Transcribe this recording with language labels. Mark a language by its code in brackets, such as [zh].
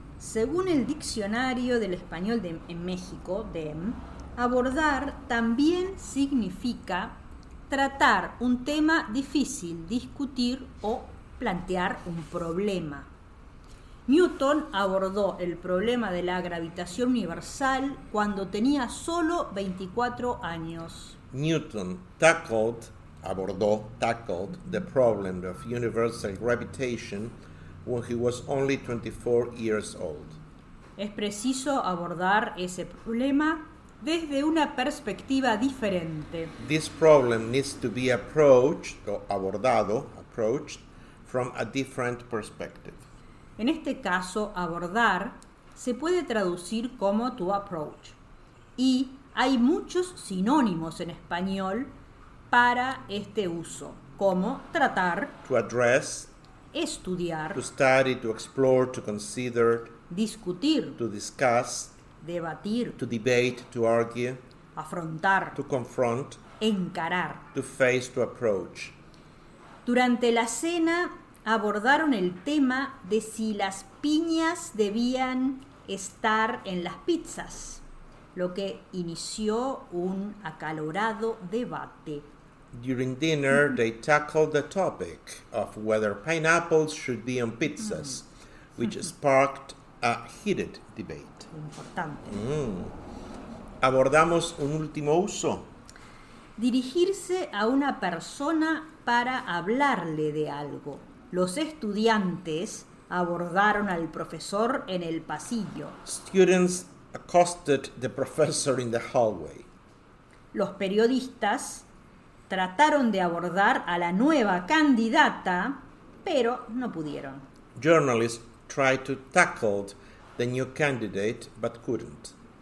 [es] Según el Diccionario del Español de en México, DEM, abordar también significa tratar un tema difícil, discutir o plantear un problema. Newton abordó el problema de la gravitación universal cuando tenía solo 24 años. [en] Newton tackled, abordó, tackled the problem of universal gravitation when he was only 24 years old. [es] Es preciso abordar ese problema desde una perspectiva diferente. [en] This problem needs to be approached, [es] o abordado, [en] approached, from a different perspective. [es] En este caso, abordar se puede traducir como to approach. Y hay muchos sinónimos en español para este uso, como tratar, [en] To address, [es] estudiar, [en] to study, to explore, to consider, [es] discutir, [en] to discuss, [es] debatir, [en] to debate, to argue, [es] afrontar, [en] to confront, [es] encarar. [en] to face, to approach. [es] Durante la cena abordaron el tema de si las piñas debían estar en las pizzas, lo que inició un acalorado debate. [en] During dinner, they tackled the topic of whether pineapples should be on pizzas, which sparked a heated debate. [es] Importante. ¿Abordamos un último uso? Dirigirse a una persona para hablarle de algo. Los estudiantes abordaron al profesor en el pasillo. [en] Students accosted the professor in the hallway. [es] Los periodistas trataron de abordar a la nueva candidata, pero no pudieron. [en] Journalists tried to tackle the new candidate, but couldn't.